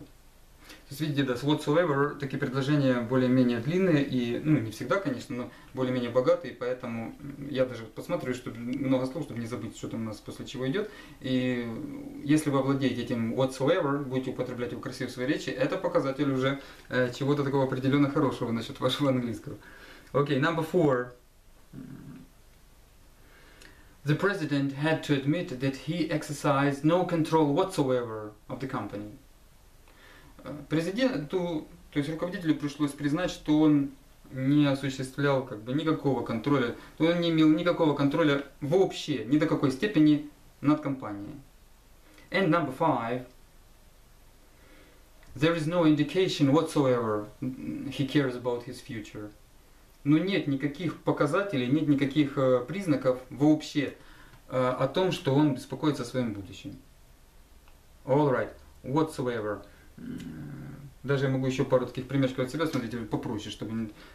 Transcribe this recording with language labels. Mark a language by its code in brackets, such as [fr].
[ru] То есть, видите, да, с whatsoever такие предложения более-менее длинные и, ну, не всегда, конечно, но более-менее богатые, поэтому я даже посмотрю, чтобы много слов, чтобы не забыть, что там у нас после чего идет. И если вы овладеете этим whatsoever, будете употреблять его красиво в своей речи, это показатель уже чего-то такого определенно хорошего насчет вашего английского. [en] Окей, number four. The president had to admit that he exercised no control whatsoever of the company. [ru] Президенту, то есть руководителю пришлось признать, что он не осуществлял как бы никакого контроля, то он не имел никакого контроля вообще, ни до какой степени над компанией. [en] And number five. There is no indication whatsoever he cares about his future. [ru] Но нет никаких показателей, нет никаких признаков вообще о том, что он беспокоится о своем будущем. [en] All right, whatsoever. [ru] Даже я могу еще пару таких примерчиков от себя, смотрите, попроще, чтобы...